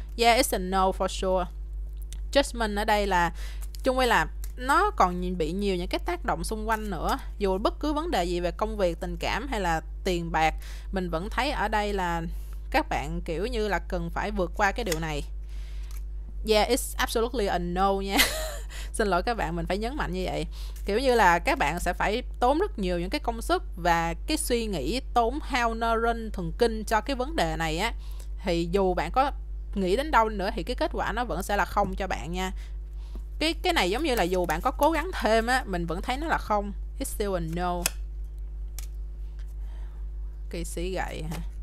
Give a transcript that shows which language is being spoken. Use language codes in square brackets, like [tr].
[en] Yeah, it's a no for sure. [vi] Judgment ở đây là chung quy là nó còn bị nhiều những cái tác động xung quanh nữa. Dù bất cứ vấn đề gì về công việc, tình cảm hay là tiền bạc, mình vẫn thấy ở đây là các bạn kiểu như là cần phải vượt qua cái điều này. [en] Yeah, it's absolutely a no nha. [vi] Xin lỗi các bạn, mình phải nhấn mạnh như vậy. Kiểu như là các bạn sẽ phải tốn rất nhiều những cái công sức và cái suy nghĩ, tốn hao neuron thần kinh cho cái vấn đề này á, thì dù bạn có nghĩ đến đâu nữa thì cái kết quả nó vẫn sẽ là không cho bạn nha. Cái này giống như là dù bạn có cố gắng thêm á, mình vẫn thấy nó là không. [en] It's still a no. [vi] Kỵ sĩ gậy hả?